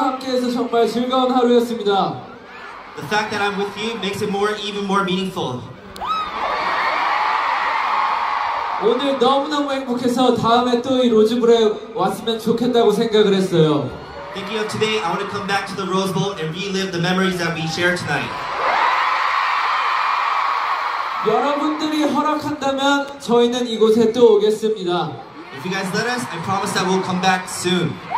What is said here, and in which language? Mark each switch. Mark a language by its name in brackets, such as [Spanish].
[English] The fact that I'm with you makes it more, even more meaningful. [Korean] 오늘 너무너무 행복해서 다음에 또 이 로즈볼에 왔으면 좋겠다고 생각을 했어요. [English] Thinking of today, I want to come back to the Rose Bowl and relive the memories that we shared tonight. [Korean] 여러분들이 허락한다면 저희는 이곳에 또 오겠습니다. [English] If you guys let us, I promise that we'll come back soon.